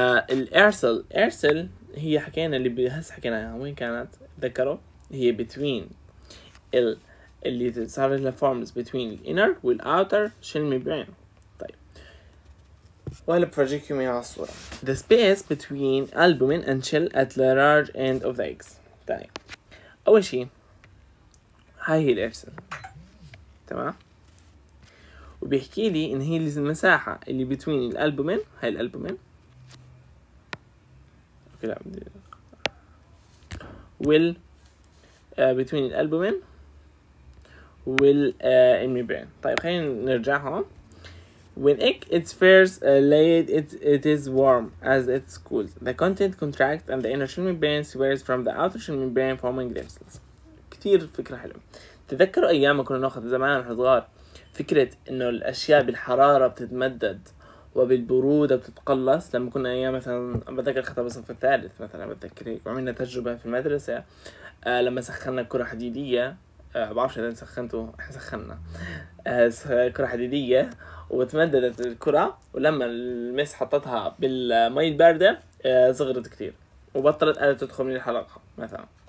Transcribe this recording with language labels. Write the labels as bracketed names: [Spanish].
[Arabic] الارسل، ارسل هي حكينا اللي بهس حكيناها وين كانت تذكروا، هي between ال اللي صار لها [English] forms between the inner and the outer shell membrane. [Arabic] طيب وهلا بفرجيكم اياها على الصورة. [English] the space between albumin and shell at the large end of the eggs. [Arabic] طيب اول شيء هاي هي الارسل. تمام، وبيحكي لي ان هي المساحة اللي between الالبومين، هاي الالبومين will between الالبومين والميمبرين. طيب خلينا نرجع هون. [English] when egg it's first laid it is warm as it cools the content contracts and the inner shell membrane separates from the outer shell membrane forming the cells. [Arabic] كتير فكرة حلوة. تذكروا أيام كنا نأخذ زمان الحضار فكرة إنه الأشياء بالحرارة بتتمدد وبالبرودة بتتقلص، لما كنا أيام مثلاً بتذكر خطب الصف الثالث مثلاً بتذكر وعملنا تجربة في المدرسة لما سخنا كرة حديدية، بعرفش إذا سخنتوا، إحنا سخننا كرة حديدية وتمددت الكرة، ولما المس حطتها بالمي الباردة صغرت كتير وبطلت قادرة تدخل من الحلقة مثلا.